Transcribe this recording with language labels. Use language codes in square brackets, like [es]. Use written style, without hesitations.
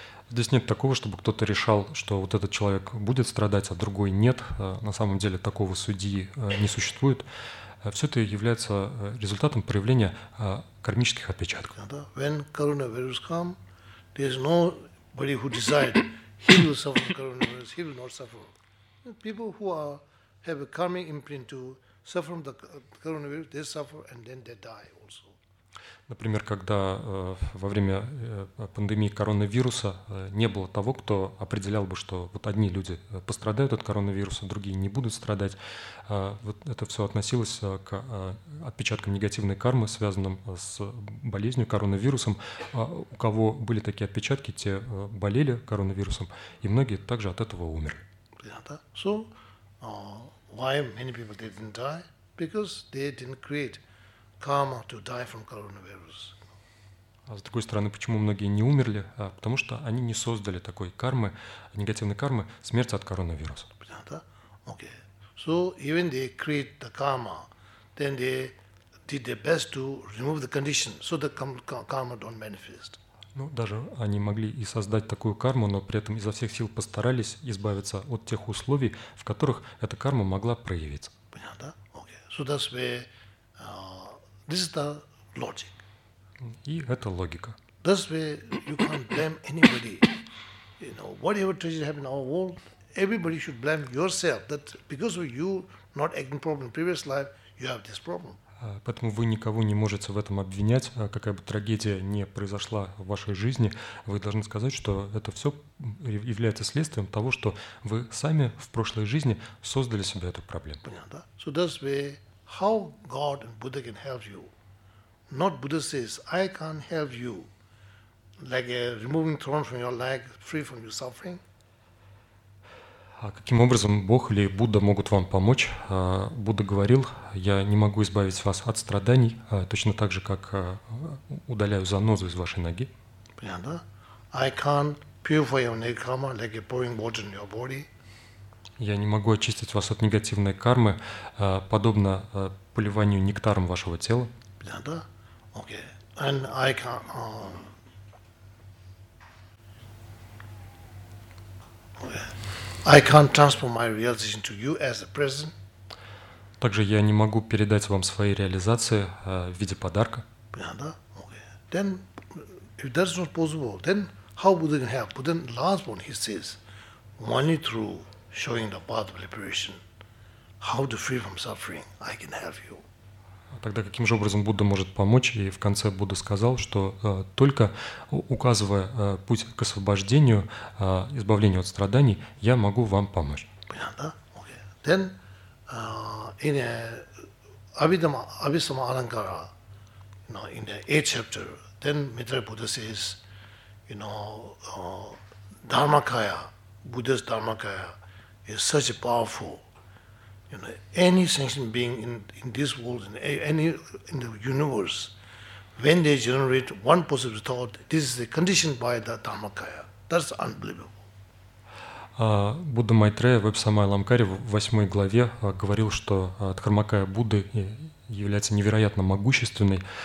[ru] Здесь нет такого, чтобы кто-то решал, что вот этот человек будет страдать, а другой нет. На самом деле такого судьи не существует. Все это является результатом проявления кармических отпечатков. [en] When coronavirus come, there's nobody who decide he will suffer coronavirus, he will not suffer. People who have a karmic imprint to suffer from the coronavirus, they suffer and then they die also. [ru] Например, когда во время пандемии коронавируса не было того, кто определял бы, что вот одни люди пострадают от коронавируса, другие не будут страдать, вот это все относилось к отпечаткам негативной кармы, связанным с болезнью коронавирусом. У кого были такие отпечатки, те болели коронавирусом, и многие также от этого умерли. [en] So, why many people didn't die? Because they didn't create karma to die from coronavirus. [ru] А с другой стороны, почему многие не умерли? Потому что они не создали такой кармы, негативной кармы, смерти от коронавируса. Понятно? Okay. [en] So even they create the karma, then they did their best to remove the condition, so the karma don't manifest. [ru] Ну, даже они могли и создать такую карму, но при этом изо всех сил постарались избавиться от тех условий, в которых эта карма могла проявиться. Понятно? [en] Okay. So that's where... This is the logic. [ru] И это логика. [en] That's where you can't blame anybody. You know, whatever tragedy happened in our world, everybody should blame yourself. That because of you not acting properly in previous life, you have this problem. [ru] Поэтому вы никого не можете в этом обвинять, какая бы трагедия не произошла в вашей жизни, вы должны сказать, что это все является следствием того, что вы сами в прошлой жизни создали себе эту проблему. Понятно? [en] So that's where how God and Buddha can help you. Not Buddha says, I can't help you, like removing thorn from your leg, free from your suffering. [ru] А каким образом Бог или Будда могут вам помочь? Будда говорил, я не могу избавить вас от страданий, точно так же, как удаляю занозу из вашей ноги. Понятно? [en] I can't purify your negative karma, like pouring water in your body. [ru] Я не могу очистить вас от негативной кармы, подобно поливанию нектаром вашего тела. Да, да. Окей. [en] And I can't... I can't transfer my realization to you as a present. [ru] Также я не могу передать вам свои реализации в виде подарка. Да, да. Окей. [en] Then, if that's not possible, then how would it help? But then last one, he says, money through... showing the path of liberation, how to free from suffering, I can help you. [ru] Тогда каким же образом Будда может помочь? И в конце Будда сказал, что только указывая путь к освобождению, избавлению от страданий, я могу вам помочь. Понятно? Okay. [en] Then, in Abhidhamma, Abhisama Alankara, you know, in the 8th chapter, then Maitreya Buddha says, you know, Dharmakaya, Buddha's Dharmakaya is such a powerful. You know, any sentient being in this world, in any in the universe, when they generate one positive thought, this is conditioned by the Dharmakaya. That's unbelievable. [ru] Будда Майтрея в Абхисамая Ламкаре в 8 главе говорил, что Дхармакая Будды является невероятно могущественной.